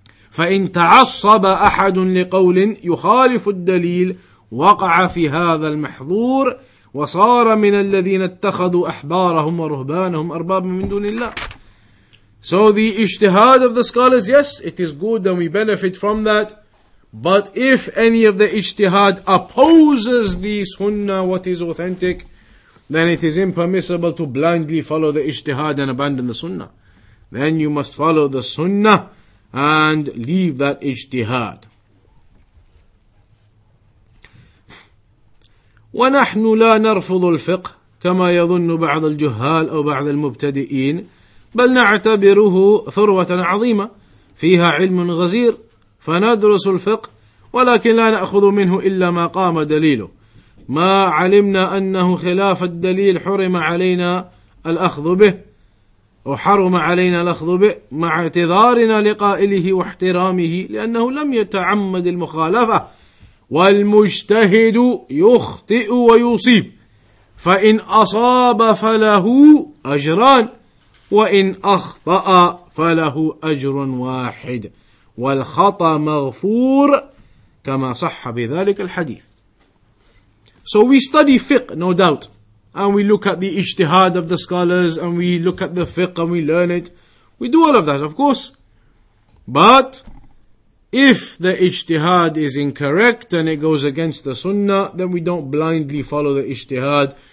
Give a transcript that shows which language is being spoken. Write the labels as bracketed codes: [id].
[ar] فإن تعصب أحد لقول يخالف الدليل وقع في هذا المحظور وصار من الذين اتخذوا أحبارهم ورهبانهم أربابا من دون الله. [en] So the ijtihad of the scholars, yes, it is good and we benefit from that. But if any of the ijtihad opposes the sunnah, what is authentic, then it is impermissible to blindly follow the ijtihad and abandon the sunnah. Then you must follow the sunnah and leave that ijtihad. [ar] وَنَحْنُ لَا نَرْفُضُ الْفِقْهِ كَمَا يَظُنُّ بَعْضَ الْجُهَّالِ أَوْ بَعْضَ الْمُبْتَدِئِينَ بَلْ نَعْتَبِرُهُ ثُرْوَةً عَظِيمَةً فِيهَا عِلْمٌ غَزِيرٌ فَنَدْرُسُ الْفِقْهِ وَلَكِنْ لَا نَأْخُذُ مِنْهُ إِلَّا مَا قَامَ دَلِيلُهُ مَا عَلِمْنَا أَنَّهُ خِلَافَ الدَّلِيلِ حُرِمَ عَلَيْنَا الْأَخْذُ بِهِ وحرم علينا الأخذ به مع اعتذارنا لقائله واحترامه لأنه لم يتعمد المخالفة والمجتهد يخطئ ويصيب فإن أصاب فله أجران وإن أخطأ فله أجر واحد والخطأ مغفور كما صح بذلك الحديث. [en] So we study fiqh, no doubt. And we look at the ijtihad of the scholars, and we look at the fiqh, and we learn it. We do all of that, of course. But if the ijtihad is incorrect and it goes against the sunnah, then we don't blindly follow the ijtihad.